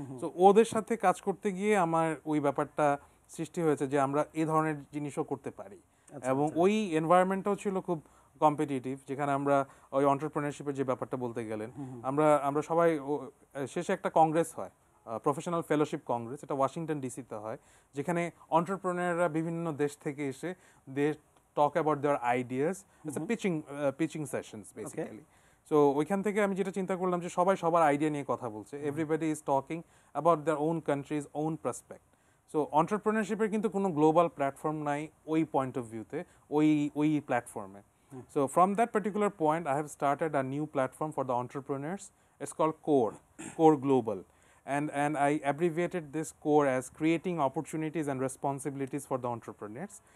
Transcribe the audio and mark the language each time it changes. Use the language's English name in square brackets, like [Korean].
[Bangla] So ওদের সাথে কাজ করতে গিয়ে আমার ওই ব্যাপারটা সৃষ্টি হয়েছে যে আমরা এই ধরনের জিনিসও করতে পারি, এবং ওই এনভায়রনমেন্টটাও ছিল খুব কম্পিটিটিভ, যেখানে আমরা ওই অন্টারপ্রেনারশিপের যে ব্যাপারটা বলতে গেলেন, আমরা সবাই শেষে একটা কংগ্রেস হয়, প্রফেশনাল ফেলোশিপ কংগ্রেস, এটা ওয়াশিংটন ডিসিতে হয়, যেখানে অন্টারপ্রেনাররা বিভিন্ন দেশ থেকে এসে [English] talk about their ideas. Mm-hmm. It's a pitching sessions basically. Okay. [Bangla] So ওইখান থেকে আমি যেটা চিন্তা করলাম যে সবাই সবার আইডিয়া নিয়ে কথা বলছে, [English] Everybody is talking about their own countries own prospect. [Bangla] So অন্টারপ্রেনারশিপের কিন্তু কোনো গ্লোবাল প্ল্যাটফর্ম নাই ওই পয়েন্ট অফ ভিউতে, ওই প্ল্যাটফর্মে। [English] So from that particular point I have started a new platform for the entrepreneurs, it's called core global, and I abbreviated this core as creating opportunities and responsibilities for the entrepreneurs.